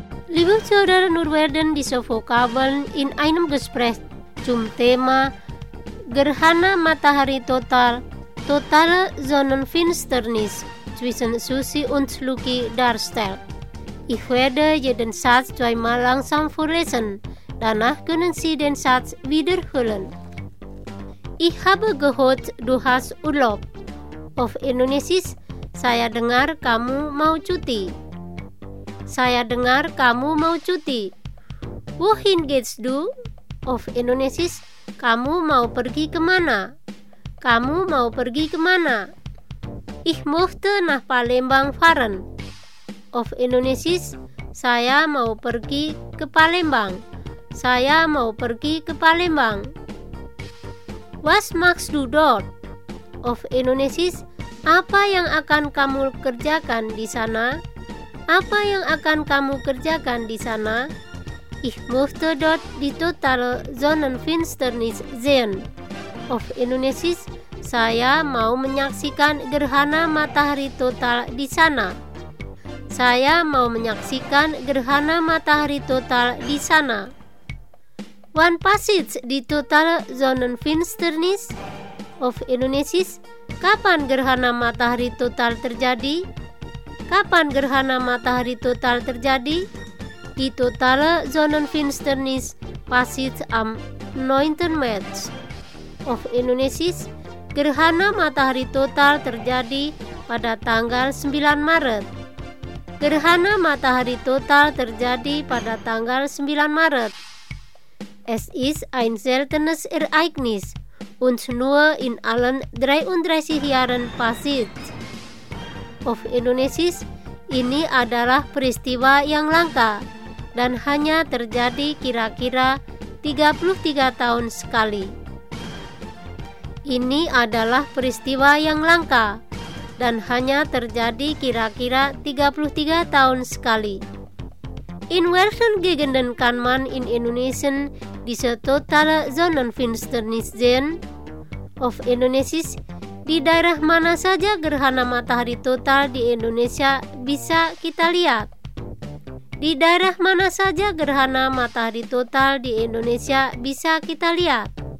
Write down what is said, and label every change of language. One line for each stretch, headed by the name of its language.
German: Liebe Zuhörer, nur werden diese Vokabeln in einem Gespräch zum Thema
Indonesian: Gerhana Matahari Total,
German: Totale Sonnenfinsternis zwischen Susi und Luki darstellt. Ich werde jeden Satz zweimal langsam vorlesen, danach können Sie den Satz wiederholen. Ich habe gehört, du hast Urlaub. Auf Indonesisch,
Indonesian: saya dengar kamu mau cuti. Saya dengar kamu mau cuti.
German: Wohin geht's du? Auf Indonesisch,
Indonesian: kamu mau pergi kemana? Kamu mau pergi kemana?
German: Ich möchte nach Palembang fahren. Of Indonesisch,
Indonesian: saya mau pergi ke Palembang. Saya mau pergi ke Palembang.
German: Was machst du dort? Of Indonesisch,
Indonesian: apa yang akan kamu kerjakan di sana? Apa yang akan kamu kerjakan di sana?
German: Ich möchte dort die totale Sonnenfinsternis sehen. Auf Indonesisch,
Indonesian: saya mau menyaksikan gerhana matahari total di sana. Saya mau menyaksikan gerhana matahari total di sana.
German: Wann passiert die totale Sonnenfinsternis? Auf Indonesisch,
Indonesian: kapan gerhana matahari total terjadi? Kapan gerhana matahari total terjadi?
German: Die totale Sonnenfinsternis passiert am 9. März. Of Indonesisch,
Indonesian: gerhana matahari total terjadi pada tanggal 9 Maret. Gerhana matahari total terjadi pada tanggal 9 Maret.
German: Es ist ein seltenes Ereignis und nur in allen 33 Jahren passiert. Of Indonesia,
Indonesian: ini adalah peristiwa yang langka dan hanya terjadi kira-kira 33 tahun sekali. Ini adalah peristiwa yang langka dan hanya terjadi kira-kira 33 tahun sekali.
German: In welchen Gegenden kann man in Indonesien diese totale Sonnenfinsternis sehen? Of Indonesia,
Indonesian: di daerah mana saja gerhana matahari total di Indonesia bisa kita lihat? Di daerah mana saja gerhana matahari total di Indonesia bisa kita lihat?